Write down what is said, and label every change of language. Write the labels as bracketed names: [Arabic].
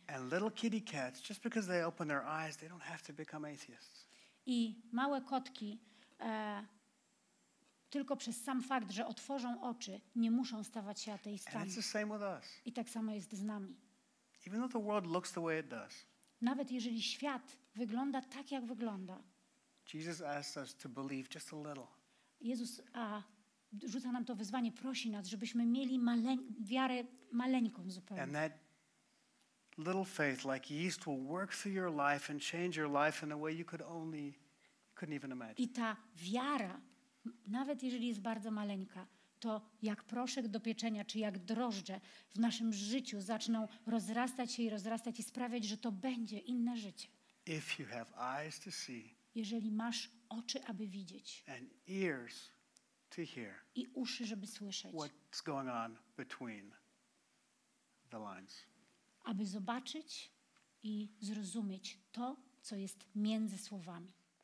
[English] And little kitty cats, just because they open their eyes, they don't have to become atheists. [Polish] I małe kotki tylko przez sam fakt, że otworzą oczy, nie muszą stawać się ateistami. [English] And it's the same with us. [Polish] I tak samo jest z nami. [English] Even though the world looks the way it does. [Polish] Nawet jeżeli świat wygląda tak, jak wygląda. [English] Jesus asks us to believe just a little. [Polish] Jezus rzuca nam to wyzwanie, prosi nas, żebyśmy mieli wiarę maleńką zupełnie. [English] And that little faith, like yeast, will work through your life and change your life in a way you couldn't even imagine. [Polish] I ta wiara, nawet jeżeli jest bardzo maleńka, to jak proszek do pieczenia, czy jak drożdże w naszym życiu zaczną rozrastać się i rozrastać i sprawiać, że to będzie inne życie. [English] If you have eyes to see, [Polish] jeżeli masz oczy, aby widzieć [English] and ears to hear, [Polish] i uszy, żeby słyszeć, [English] what's going on between the lines. [Polish] Aby zobaczyć i zrozumieć to, co jest między słowami.